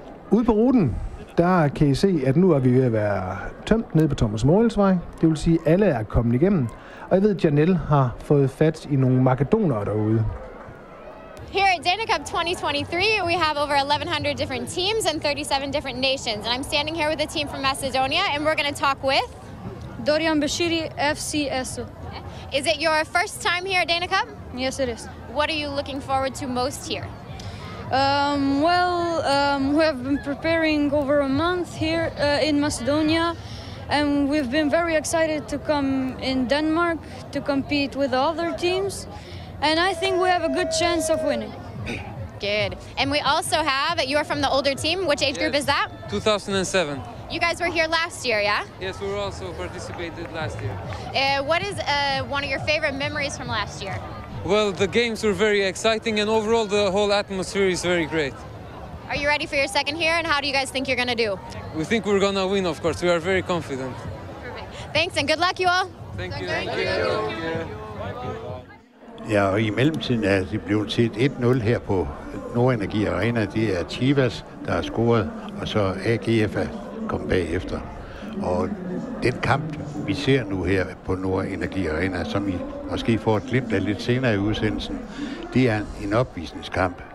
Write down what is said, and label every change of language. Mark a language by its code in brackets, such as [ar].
[da] Ude på ruten, der kan I se, at nu er vi ved at være tømt nede på Thomas Morgelsvej. Det vil sige, at alle er kommet igennem. Og jeg ved, at Janelle har fået fat i nogle makedonere derude. [en] Here at Danacup 2023, we have over 1,100 different teams and 37 different nations. And I'm standing here with a team from Macedonia, and we're going to talk with... Dorian Bashiri, FCS. Is it your first time here at Danacup? Yes, it is. What are you looking forward to most here? We have been preparing over a month here in Macedonia, and we've been very excited to come in Denmark to compete with the other teams, and I think we have a good chance of winning. Good. And we also have, you're from the older team, which age group is that? 2007. You guys were here last year, yeah? Yes, we also participated last year. What is one of your favorite memories from last year? Well, the games were very exciting, and overall the whole atmosphere is very great. Are you ready for your second here, and how do you guys think you're going to do? We think we're going to win, of course. We are very confident. Perfect. Thanks, and good luck, you all. Thank you. [da] Ja, og i mellemtiden er det blevet set 1-0 her på Nordenergi Arena. Det er Chivas, der har scoret, og så AGF er kommet bagefter. Og den kamp, vi ser nu her på Nordenergi Arena, som I måske får et glimt af lidt senere i udsendelsen, det er en opvisningskamp.